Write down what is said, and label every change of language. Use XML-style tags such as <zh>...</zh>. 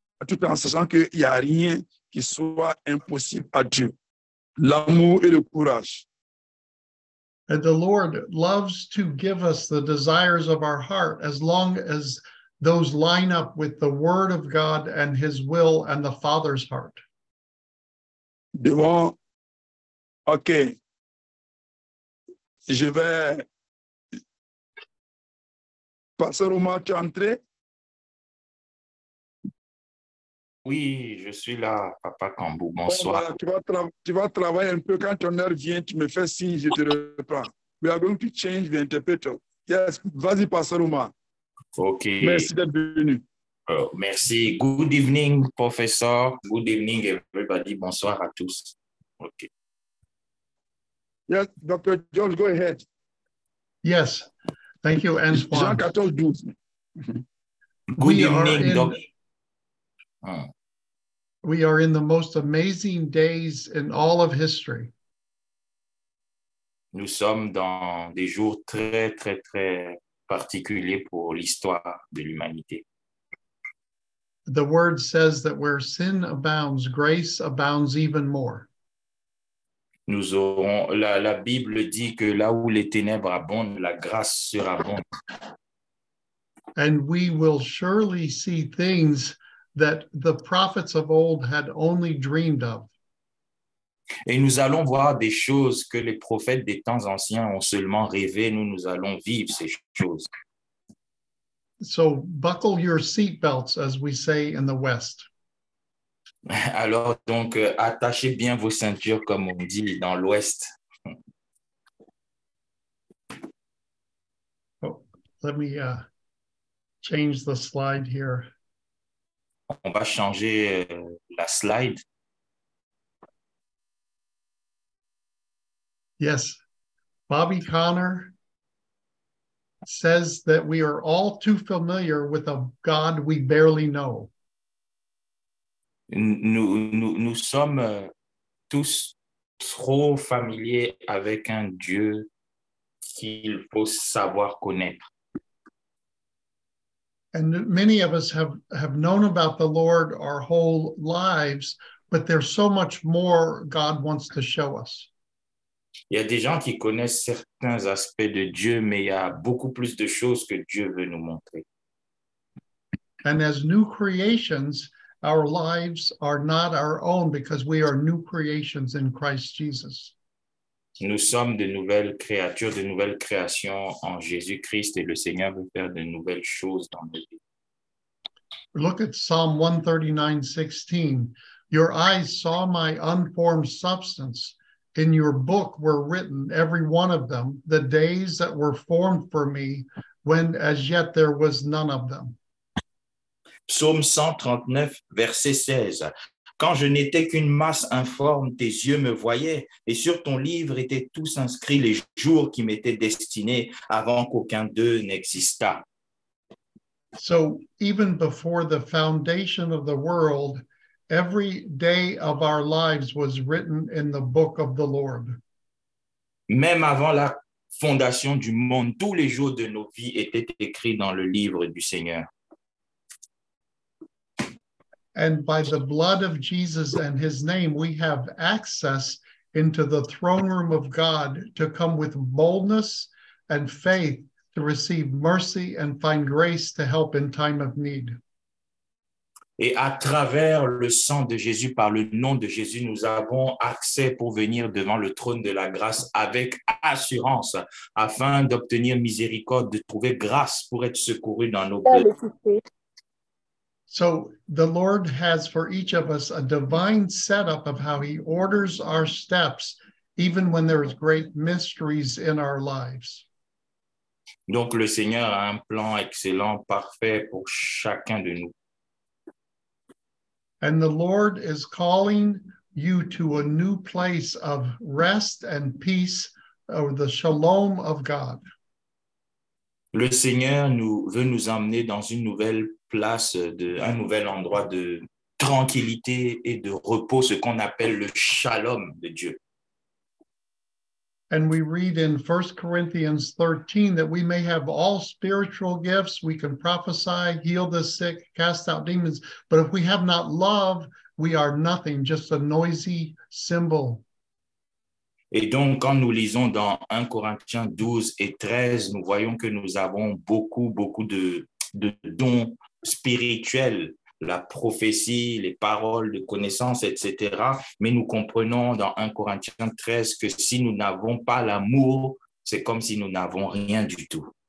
<fr>Tout en sachant qu'il n'y a rien qui soit impossible à Dieu. L'amour et le courage.</fr> <en>And the Lord loves to give us the desires of our heart as long as those line up with the word of God and his will and the Father's heart.</en> <fr>Devant, ok, je vais passer au match entrée. Oui, je suis là, Papa Kambou. Bonsoir. Voilà, tu vas travailler un peu. Quand ton heure vient, tu me fais signe, je te reprends.</fr> <en>We are going to change the interpreter.</en> <fr>Yes, vas-y, Pastoruma. OK. Merci d'être venu. Merci.</fr> <en>Good evening, professeur. Good evening, everybody.</en> <fr>Bonsoir à tous. OK.</fr> <en>Yes, Dr. George, go ahead. Yes. Thank you, Antoine.</en> <fr>Jean 14, 12.</fr> <en>Good evening, Dr. We are in the most amazing days in all of history.</en> <fr>Nous sommes dans des jours très, très, très particuliers pour l'histoire de l'humanité.</fr> <en>The word says that where sin abounds, grace abounds even more.</en> <fr>Nous aurons, la Bible dit que là où les ténèbres abondent, la grâce surabonde.</fr> <en>And we will surely see things that the prophets of old had only dreamed of.</en> <fr>Et nous allons voir des choses que les prophètes des temps anciens ont seulement rêvé. Nous allons vivre ces choses.</fr> <en>So buckle your seatbelts, as we say in the West.</en> <fr>Alors donc, attachez bien vos ceintures, comme on dit dans l'Ouest.</fr> <en>Oh, let me change the slide here.</en> <fr>On va changer la slide.</fr> <en>Yes. Bobby Connor says that we are all too familiar with a God we barely know.</en> <fr>Nous sommes tous trop familiers avec un Dieu qu'il faut savoir connaître.</fr> <en>And many of us have known about the Lord our whole lives, but there's so much more God wants to show us.</en> <fr>Il y a des gens qui connaissent certains aspects de Dieu, mais il y a beaucoup plus de choses que Dieu veut nous montrer.</fr> <en>And as new creations, our lives are not our own because we are new creations in Christ Jesus.</en> <fr>Nous sommes de nouvelles créatures, de nouvelles créations en Jésus-Christ, et le Seigneur veut faire de nouvelles choses dans nos vies.</fr> <en>Look at Psalm 139:16. Your eyes saw my unformed substance. In your book were written, every one of them, the days that were formed for me, when as yet there was none of them.</en> <fr>Psaume 139, verset 16. Quand je n'étais qu'une masse informe, tes yeux me voyaient, et sur ton livre étaient tous inscrits les jours qui m'étaient destinés avant qu'aucun d'eux n'existât.</fr> <en>So, even before the foundation of the world, every day of our lives was written in the book of the Lord.</en> <fr>Même avant la fondation du monde, tous les jours de nos vies étaient écrits dans le livre du Seigneur.</fr> <en>And by the blood of Jesus and his name, we have access into the throne room of God to come with boldness and faith to receive mercy and find grace to help in time of need.</en> <fr>Et à travers le sang de Jésus, par le nom de Jésus, nous avons accès pour venir devant le trône de la grâce avec assurance afin d'obtenir miséricorde, de trouver grâce pour être secouru dans nos besoins.</fr> <en>So the Lord has for each of us a divine setup of how he orders our steps, even when there is great mysteries in our lives.</en> <fr>Donc le Seigneur a un plan excellent, parfait pour chacun de nous.</fr> <en>And the Lord is calling you to a new place of rest and peace, or the shalom of God.</en> <fr>Le Seigneur nous veut nous emmener dans une nouvelle place, de un nouvel endroit de tranquillité et de repos, ce qu'on appelle le shalom de Dieu.</fr> <en>And we read in 1 Corinthians 13 that we may have all spiritual gifts, we can prophesy, heal the sick, cast out demons, but if we have not love, we are nothing, just a noisy symbol.</en> <fr>Et donc, quand nous lisons dans 1 Corinthiens 12 et 13, nous voyons que nous avons beaucoup, beaucoup de dons spirituels, la prophétie, les paroles de connaissance, etc. Mais nous comprenons dans 1 Corinthiens 13 que si nous n'avons pas l'amour, c'est comme si nous n'avons rien du tout.</fr>